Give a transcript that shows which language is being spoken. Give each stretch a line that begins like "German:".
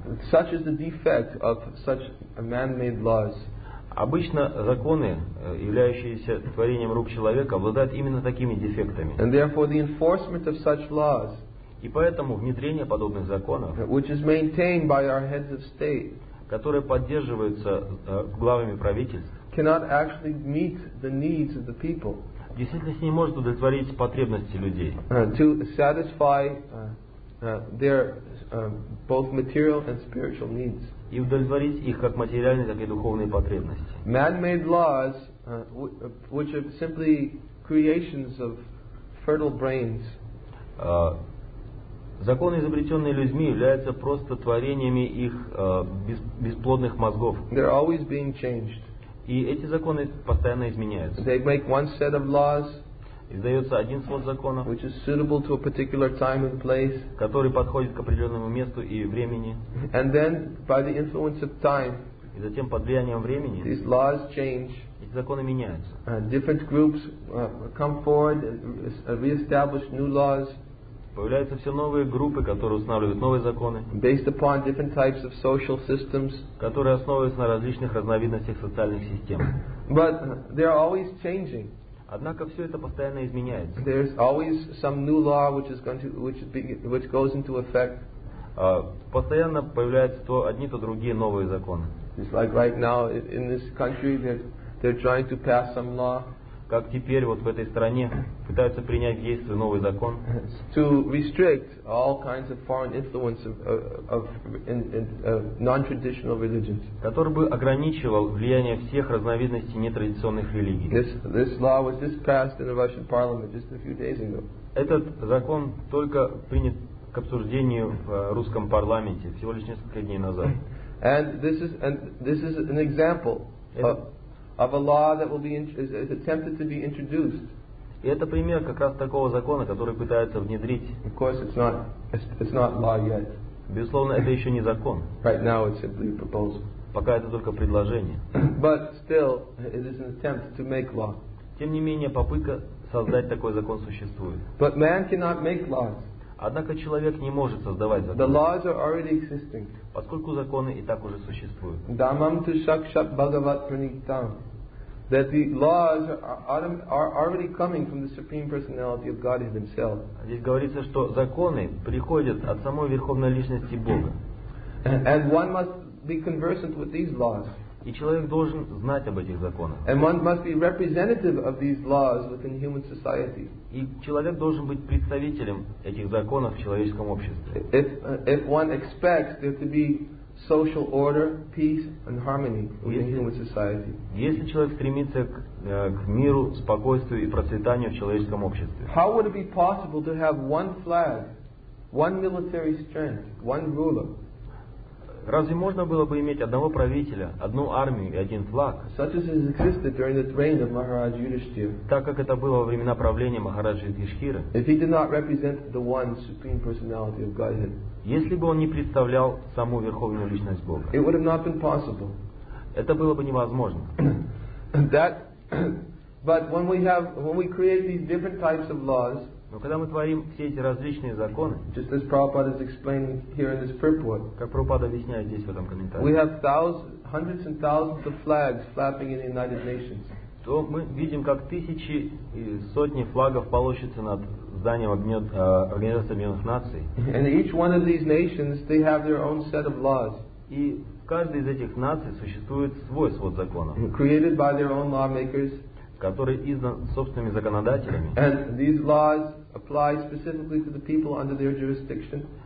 English: Such is the defect of such man-made laws.
Russian: Обычно законы, являющиеся творением рук человека, обладают именно такими дефектами.
English: And therefore the enforcement of such laws,
Russian: и поэтому внедрение подобных законов,
English: which is maintained by our heads of state,
Russian: которые поддерживаются главами правительств,
English: cannot actually meet the needs of the people.
Russian: Действительно, не может удовлетворить потребности людей.
English: To satisfy their both material and spiritual needs.
Russian: И удовлетворить их как материальные, так и духовные потребности.
English: Man-made laws, which are simply creations of fertile brains.
Russian: Законы, изобретенные людьми, являются просто творениями их бесплодных мозгов.
English: They're always being changed.
Russian: И эти законы постоянно изменяются.
English: They make one set of laws,
Russian: издается один свод законов,
English: which is suitable to a particular time and place,
Russian: который подходит к определенному месту и времени.
English: And then, by the influence of time,
Russian: и затем под влиянием времени,
English: these laws change.
Russian: Эти законы меняются.
English: Different groups come forward and re-establish new laws.
Russian: Появляются все новые группы, которые устанавливают новые законы,
English: based upon different types of social systems,
Russian: которые основываются на различных разновидностях социальных систем.
English: But they are always changing.
Russian: Однако все это постоянно изменяется.
English: There is always some new law which goes into effect.
Russian: Постоянно появляются то одни, то другие новые законы.
English: It's like right now in this country they're trying to pass some law.
Russian: Как теперь вот в этой стране пытаются принять в действие новый закон,
English: to restrict all kinds of foreign influence of non-traditional religions,
Russian: который бы ограничивал влияние всех разновидностей нетрадиционных религий.
English: This law was just passed in the Russian parliament just a few days ago.
Russian: Этот закон только принят к обсуждению в русском парламенте всего лишь несколько дней назад.
English: And this is an example of a law that will be is attempted to be introduced.
Russian: И это пример как раз такого закона, который пытаются внедрить.
English: Of course, it's not law yet.
Russian: Безусловно, это еще не закон.
English: Right now, it's simply a proposal.
Russian: Пока это только предложение.
English: But still, it is an attempt to make law.
Russian: Тем не менее, попытка создать такой закон существует.
English: But man cannot make laws.
Russian: Однако человек не может создавать законы.
English: The laws are already existing.
Russian: Поскольку законы и так уже существуют.
Sanskrit: Dhammam tu sakshat bhagavat pranitam.
English: That the laws are already coming from the supreme personality of Godhead himself.
Russian: Здесь говорится, что законы приходят от самой верховной личности Бога.
English: And one must be conversant with these laws.
Russian: И человек должен знать об этих законах.
English: And one must be representative of these laws within human society.
Russian: И человек должен быть представителем этих законов в человеческом обществе.
English: If one expects there to be social order, peace and harmony within human society.
Russian: Если человек стремится к миру, спокойствию и процветанию в человеческом обществе.
English: How would it be possible to have one flag, one military strength, one ruler?
Russian: Разве можно было бы иметь одного правителя, одну армию и один флаг?
English: Such as it existed during the reign of Maharaj Yudhishthira.
Russian: Так как это было во времена правления Махараджи Юдхиштхиры.
English: If he did not represent the one supreme personality of Godhead.
Russian: Если бы он не представлял саму верховную личность Бога.
English: It would have not been possible.
Russian: Это было бы невозможно.
English: That But when we have, when we create these different types of laws,
Russian: но когда мы творим все эти различные законы,
English: just as Prabhupada is explaining here in this purport,
Russian: как Прабхупада объясняет здесь в этом комментарии,
English: we have thousands, hundreds and thousands of flags flapping in the United Nations.
Russian: То мы видим, как тысячи и сотни флагов полощутся над зданием Организации Объединенных Наций.
English: And each one of these nations, they have their own set of laws.
Russian: И в каждой из этих наций существует свой свод законов,
English: created by their own lawmakers,
Russian: который издан собственными законодателями.
English: And these laws apply specifically to the people under their jurisdiction.